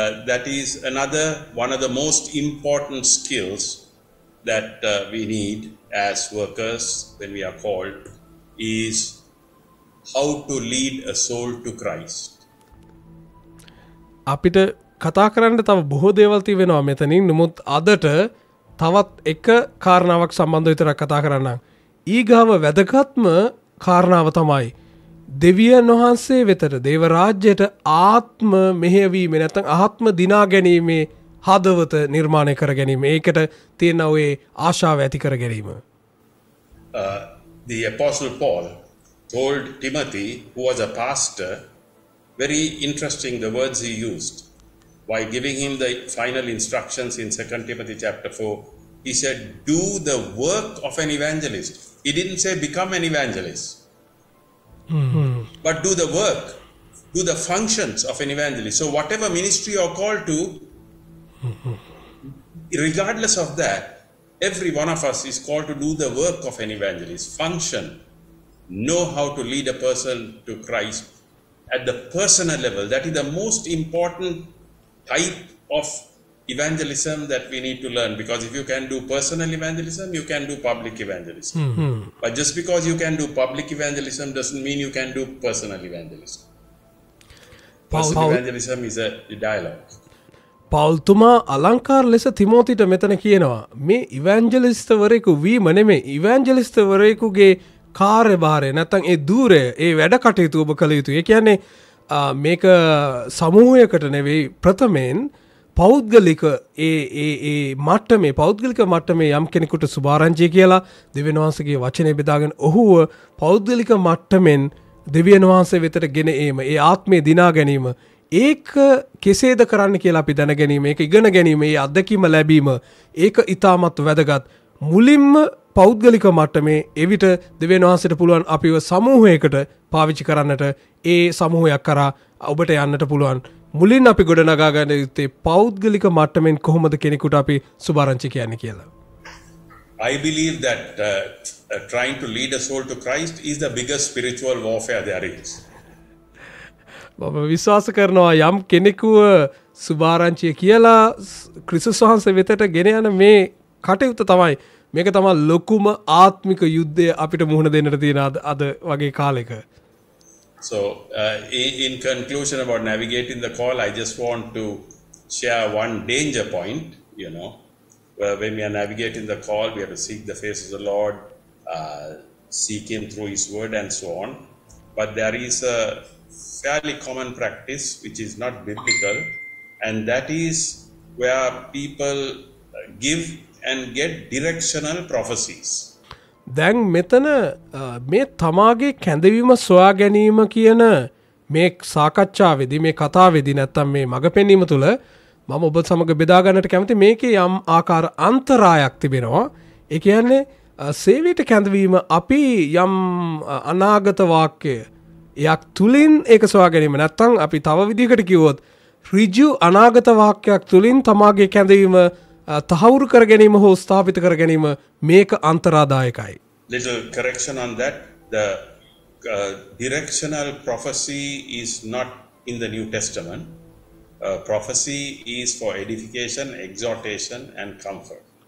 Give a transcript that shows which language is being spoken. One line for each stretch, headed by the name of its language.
English: That is another one of the most important skills that we need as workers when we are called is how to lead a soul to Christ.
Sinhala: අපිට කතා කරන්න තව බොහෝ දේවල් තියෙනවා මෙතනින් නමුත් අදට තවත් එක කාරණාවක් සම්බන්ධව විතරක් කතා කරන්නම්. ඊගාව වැදගත්ම කාරණාව තමයි දෙවියන් වහන්සේ වෙතට දේව රාජ්‍යයට ආත්ම මෙහෙයවීම නැත්නම් ආත්ම දිනා ගැනීම හදවත නිර්මාණය කර ගැනීම. ඒකට තියෙන ඔය ආශාව ඇති කර ගැනීම.
English: The apostle Paul told Timothy, who was a pastor, very interesting the words he used while giving him the final instructions in 2 Timothy chapter 4. He said, do the work of an evangelist. He didn't say become an evangelist. Mm-hmm. But do the work, do the functions of an evangelist. So whatever ministry you're called to, regardless of that, every one of us is called to do the work of an evangelist, function. Know how to lead a person to Christ at the personal level. That is the most important type of evangelism that we need to learn. Because if you can do personal evangelism, you can do public evangelism. Mm-hmm. But just because you can do public evangelism doesn't mean you can do personal evangelism. Evangelism is a dialogue.
Sinhala: පවුල්තුමා අලංකාර ලෙස තිමෝතිට මෙතන කියනවා මේ ඉවැන්ජලිස්තවරයෙකු වීම නෙමේ ඉවැන්ජලිස්තවරයෙකුගේ කාර්යභාරය නැත්නම් ඒ ධූරය ඒ වැඩ කටයුතු ඔබ කළ යුතුයි. ඒ කියන්නේ මේක සමූහයකට නෙවෙයි ප්‍රථමයෙන් පෞද්ගලික ඒ මට්ටමේ පෞද්ගලික මට්ටමේ යම් කෙනෙකුට සුභාරංචිය කියලා දෙවියන් වහන්සේගේ වචනේ බෙදාගෙන ඔහුව පෞද්ගලික මට්ටමෙන් දෙවියන් වහන්සේ වෙතට ගෙන ඒම ඒ ආත්මය දිනා ගැනීම ඒක කෙසේද කරන්න කියලා අපි දැනගැනීම ඒක ඉගෙන ගැනීම ඒ අත්දැකීම ලැබීම ඒක ඉතාමත් වැදගත් මුලින්ම පෞද්ගලික මට්ටමේ එවිට දෙවියන් වහන්සේට පුළුවන් අපිව සමූහයකට පාවිච්චි කරන්නට ඒ සමූහයක් කරා ඔබට යන්නට පුළුවන් මුලින් අපි ගොඩනගා ගන්න යුත්තේ පෞද්ගලික මට්ටමින් කොහොමද කෙනෙකුට අපි සුභාරංචි කියන්නේ කියලා
English: I believe that trying to lead a soul to Christ is the biggest spiritual warfare there is
Sinhala: මම විශ්වාස කරනවා යම් කෙනෙකු සුභාරංචිය කියලා ක්‍රිස්තුස් වහන්සේ වෙතට ගෙන යන මේ කටයුත්ත තමයි මේක තමයි ලොකුම ආත්මික යුද්ධය අපිට මුහුණ දෙන්නට තියෙන අද වගේ කාලෙක
English: So in conclusion about navigating the call I just want to share one danger point you know when we are navigating the call we have to seek the face of the Lord seek him through his word and so on but there is a fairly common practice which is not biblical and that is where people give and get directional prophecies
Sinhala: දැන් මෙතන මේ තමාගේ කැඳවීම සොයා ගැනීම කියන මේ සාකච්ඡාවේදී මේ කතාවේදී නැත්තම් මේ මගපෙන්වීම තුළ මම ඔබ සමග බෙදා ගන්නට කැමති මේකේ යම් ආකාර අන්තරායක් තිබෙනවා ඒ කියන්නේ සේවයට කැඳවීම අපි යම් අනාගත වාක්‍යයක් තුලින් ඒක සොයා ගැනීම නැත්තම් අපි තව විදිහකට කිව්වොත් ඍජු අනාගත වාක්‍යයක් තුලින් තමාගේ කැඳවීම තහවුරු කර ගැනීම හෝ ස්ථාපිත කර ගැනීම මේක අන්තරාදායකයි.
English: Little correction on that. The directional prophecy is not in the New Testament. Prophecy is for edification, exhortation and comfort.